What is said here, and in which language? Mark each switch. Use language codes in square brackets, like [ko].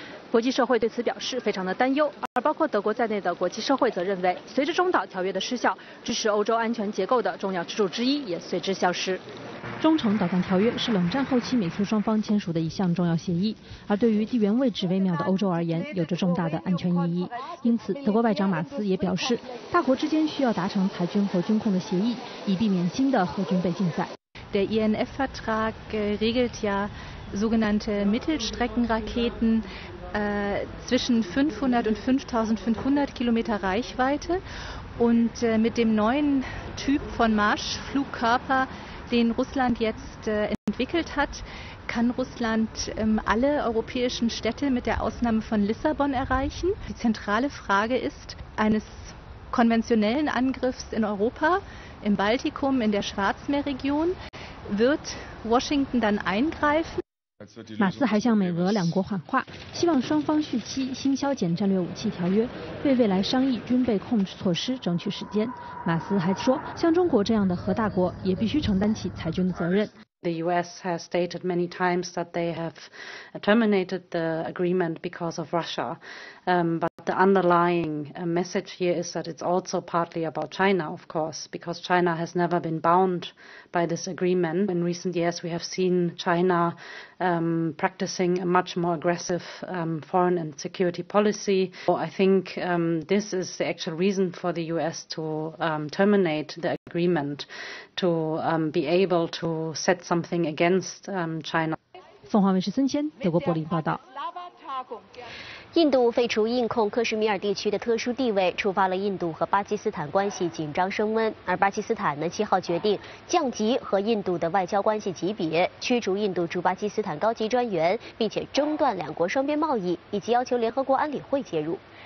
[zh] 国际社会对此表示非常的担忧，而包括德国在内的国际社会则认为，随着中导条约的失效，支持欧洲安全结构的重要支柱之一也随之消失。中程导弹条约是冷战后期美苏双方签署的一项重要协议，而对于地缘位置微妙的欧洲而言，有着重大的安全意义。因此，德国外长马斯也表示，大国之间需要达成裁军和军控的协议，以避免新的核军备竞赛。 [de] Der INF-Vertrag regelt ja sogenannte Mittelstreckenraketen. Zwischen 500 und 5500 Kilometer Reichweite und mit dem neuen Typ von Marschflugkörper, den Russland jetzt entwickelt hat, kann Russland alle europäischen Städte mit der Ausnahme von Lissabon erreichen. Die zentrale Frage ist eines konventionellen Angriffs in Europa, im Baltikum, in der Schwarzmeerregion. Wird Washington dann eingreifen? [zh] 马斯还向美俄两国喊话，希望双方续期新削减战略武器条约，为未来商议军备控制措施争取时间。马斯还说，像中国这样的核大国也必须承担起裁军的责任。 [en] The US has stated many times that they have terminated the agreement because of Russia. But the underlying message here is that it's also partly about China, of course, because China has never been bound by this agreement. In recent years, we have seen China practicing a much more aggressive foreign and security policy. So I think this is the actual reason for the US to terminate the agreement, to be able to set something against China. [zh] 凤凰卫视孙谦，德国柏林报道。印度废除印控克什米尔地区的特殊地位，触发了印度和巴基斯坦关系紧张升温。而巴基斯坦呢，7号决定降级和印度的外交关系级别，驱逐印度驻巴基斯坦高级专员，并且中断两国双边贸易，以及要求联合国安理会介入。